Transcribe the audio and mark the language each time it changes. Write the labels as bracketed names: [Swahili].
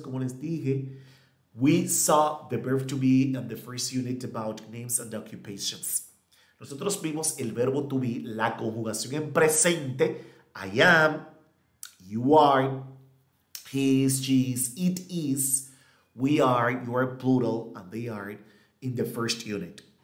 [Spanish] Como les dije, [English] we saw the verb to be in the first unit about names and occupations. [Spanish] Nosotros vimos el verbo to be, la conjugación en presente. [English] I am, you are, he is, she is, it is. We are, you are plural, and they are in the first unit.